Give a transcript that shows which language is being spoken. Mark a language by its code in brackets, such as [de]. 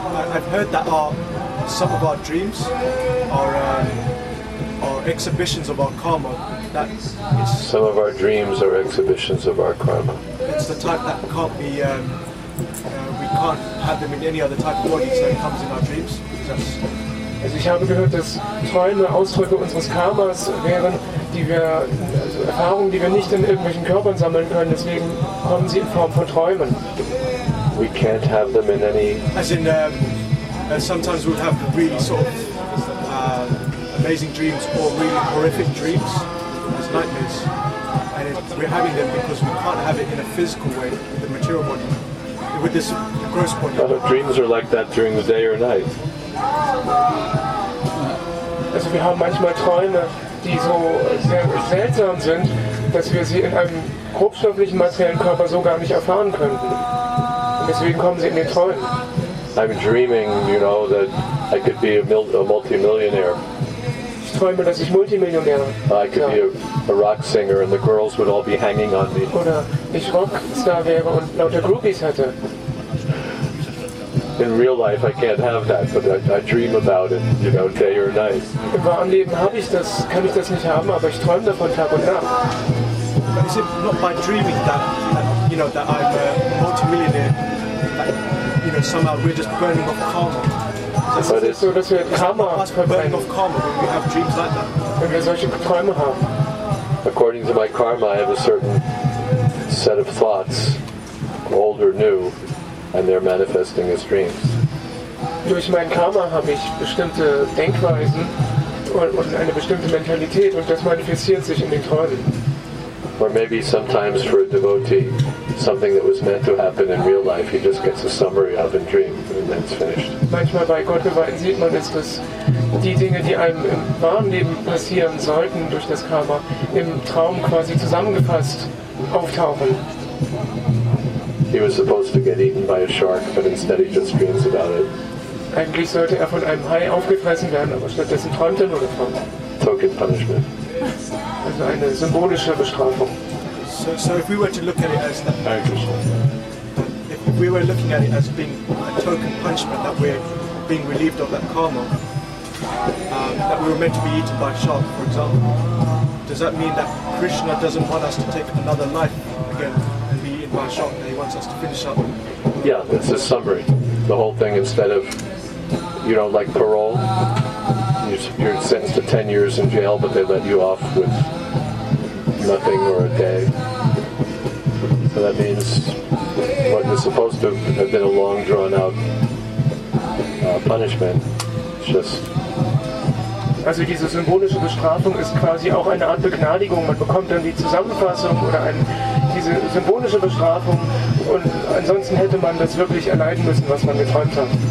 [en] I've heard that some of our dreams are exhibitions of our karma. Some of our dreams are exhibitions of our karma. It's the type that can't be, we can't have them in any other type of body, so it comes in our dreams. [de] Also ich habe gehört, dass Träume Ausdrücke unseres Karmas wären, also Erfahrungen, die wir nicht in irgendwelchen Körpern sammeln können, deswegen kommen sie in Form von Träumen. [en] We can't have them in any... As in, sometimes we'll have really sort of amazing dreams or really horrific dreams, as nightmares. And we're having them because we can't have it in a physical way, with the material body, with this gross body. But if dreams are like that during the day or night. [de] Also wir haben manchmal Träume, die so sehr seltsam sind, dass wir sie in einem grobstofflichen materiellen Körper so gar nicht erfahren könnten. Und deswegen kommen sie in den Träumen. [en] I'm dreaming, you know, that I could be a multimillionaire. [de] Ich träume, dass ich Multimillionär bin. [en] I could be a rock singer and the girls would all be hanging on me. [de] Oder ich Rockstar wäre und lauter Groupies hätte. [en] In real life, I can't have that, but I dream about it, you know, day or night. [de] Im wahren Leben habe ich das, kann ich das nicht haben, aber ich träume davon Tag und Nacht. [en] But is it not by dreaming that, you know, that I'm a multimillionaire, that, you know, somehow we're just burning off karma? So but it's so, [de] dass wir Karma [en] burning off karma when we have dreams like that. [de] Wenn wir solche Träume haben. [en] According to my karma, I have a certain set of thoughts, old or new, and they're manifesting as dreams. [de] Durch mein Karma habe ich bestimmte Denkweisen und eine bestimmte Mentalität und das manifestiert sich in den Träumen. [en] Or maybe sometimes for a devotee, something that was meant to happen in real life, he just gets a summary of in dream and then it's finished. [de] Manchmal bei Gottgeweihten sieht man es, dass die Dinge, die einem im wahren Leben passieren sollten durch das Karma, im Traum quasi zusammengefasst auftauchen. [en] He was supposed to get eaten by a shark, but instead he just dreams about it. [de] Eigentlich sollte er von einem Hai aufgefressen werden, aber stattdessen träumt er nur davon. [en] Token punishment. [de] Also eine symbolische Bestrafung. [en] So if we were to look at it as that, Hare Krishna. If we were looking at it as being a token punishment that we're being relieved of that karma, that we were meant to be eaten by a shark, for example, does that mean that Krishna doesn't want us to take another life again? Yeah, it's a summary. The whole thing, instead of, you know, like parole, you're sentenced to 10 years in jail, but they let you off with nothing or a day. So that means what is supposed to have been a long, drawn-out punishment, it's just... [de] Also diese symbolische Bestrafung ist quasi auch eine Art Begnadigung. Man bekommt dann die Zusammenfassung oder diese symbolische Bestrafung und ansonsten hätte man das wirklich erleiden müssen, was man geträumt hat.